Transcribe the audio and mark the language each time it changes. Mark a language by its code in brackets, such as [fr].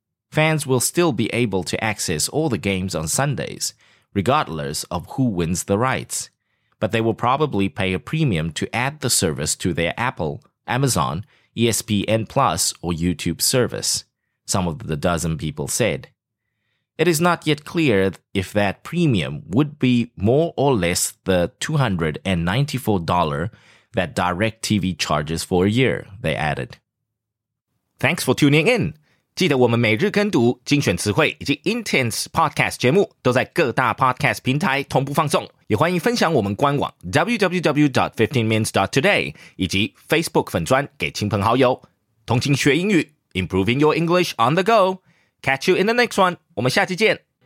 [en] Fans will still be able to access all the games on Sundays, regardless of who wins the rights, but they will probably pay a premium to add the service to their Apple, Amazon, ESPN Plus, or YouTube service, some of the dozen people said. It is not yet clear if that premium would be more or less the $294 that DirecTV charges for a year, they added. Thanks for tuning in. [zh] 记得我们每日跟读精选词汇以及 Intense Podcast 节目都在各大 Podcast 平台同步放送。也欢迎分享我们官网 www.15mins.today 以及 Facebook 粉专给亲朋好友。同勤学英语 [en] ,improving your English on the go.Catch you in the next one. [zh] 我们下期见。